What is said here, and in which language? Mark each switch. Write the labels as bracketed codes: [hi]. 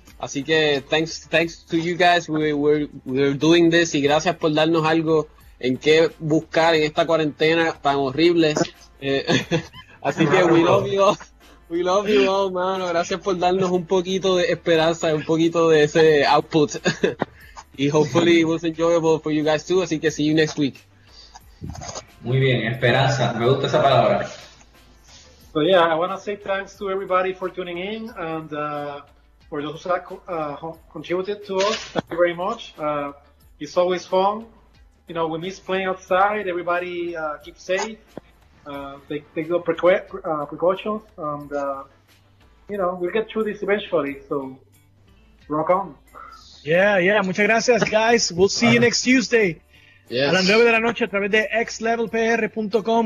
[es] Así que [en] thanks to you guys, we're doing this, [es] y gracias por darnos algo en qué buscar en esta cuarentena tan horrible. Así que [en] we love you all, mano. [es] Gracias por darnos un poquito de esperanza, un poquito de ese output. Y [en] hopefully it was enjoyable for you guys too. [es] Así que [en] see you next week. [es] Muy bien, esperanza. Me gusta esa palabra. [en] So yeah, I want to say thanks to everybody for tuning in and for those that contributed to us. Thank you very much. It's always fun. You know, we miss playing outside. Everybody keep safe. Take the precautions. And, you know, we'll get through this eventually. So rock on. Yeah, [es] muchas gracias, [en] guys. We'll see you next Tuesday. [es] a las 9 de la noche a través de xlevelpr.com.